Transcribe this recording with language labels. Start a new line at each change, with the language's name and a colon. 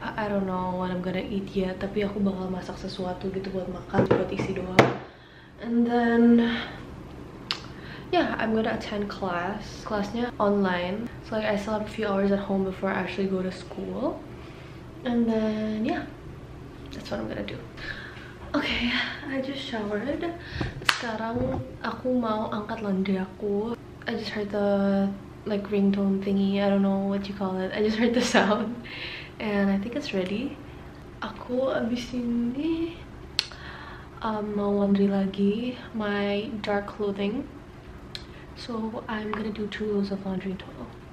English: I don't know what I'm gonna eat yet,
Indonesian: tapi aku bakal masak sesuatu gitu buat makan, buat isi doang.
English: And then yeah, I'm gonna attend class. Classnya online. So like I still have a few hours at home before I actually go to school. And then yeah, that's what I'm gonna do. Okay, I just showered.
Indonesian: Sekarang aku mau angkat laundry aku.
English: I just heard the like ringtone thingy. I don't know what you call it. I just heard the sound, and I think it's ready.
Indonesian: Aku abis ini mau laundry lagi
English: my dark clothing. So I'm gonna do 2 loads of laundry total.